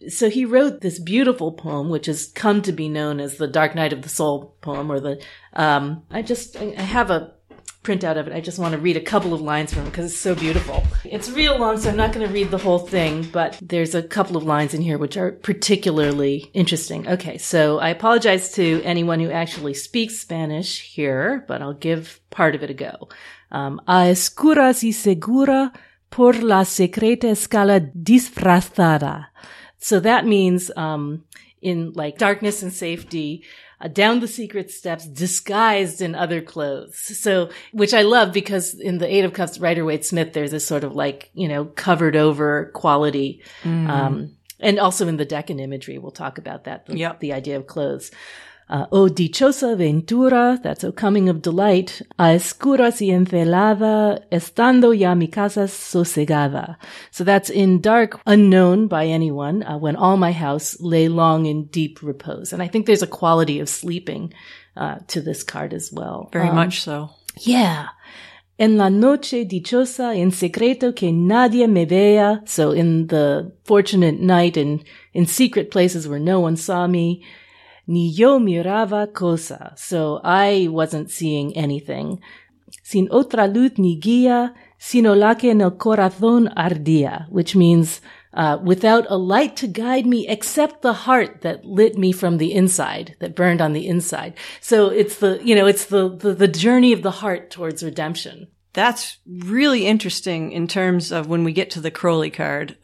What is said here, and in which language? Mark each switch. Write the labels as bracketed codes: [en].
[en] So he wrote this beautiful poem, which has come to be known as the Dark Night of the Soul poem, or the, I have a printout of it. I just want to read a couple of lines from it because it's so beautiful. It's real long, so I'm not going to read the whole thing, but there's a couple of lines in here which are particularly interesting. Okay, so I apologize to anyone who actually speaks Spanish here, but I'll give part of it a go. [es] A escuras y segura por la secreta escala disfrazada. [en] So that means in like darkness and safety, down the secret steps, disguised in other clothes. So, which I love because in the Eight of Cups, Rider-Waite-Smith, there's this sort of like, you know, covered over quality. Mm-hmm. And also in the Deccan imagery, we'll talk about that, the idea of clothes. [es] Oh, dichosa ventura, [en] that's a coming of delight, [es] a escuras y encelada, estando ya mi casa sosegada. [en] So that's in dark, unknown by anyone, when all my house lay long in deep repose. And I think there's a quality of sleeping to this card as well. Very much so. Yeah. [es] En la noche dichosa, en secreto que nadie me vea. [en] So in the fortunate night, in secret places where no one saw me, [es] ni yo miraba cosa. [en] So I wasn't seeing anything. [es] Sin otra luz ni guía, sino la que en el corazón ardía. [en] Which means, without a light to guide me, except the heart that lit me from the inside, that burned on the inside. So it's the journey of the heart towards redemption. That's really interesting in terms of when we get to the Crowley card.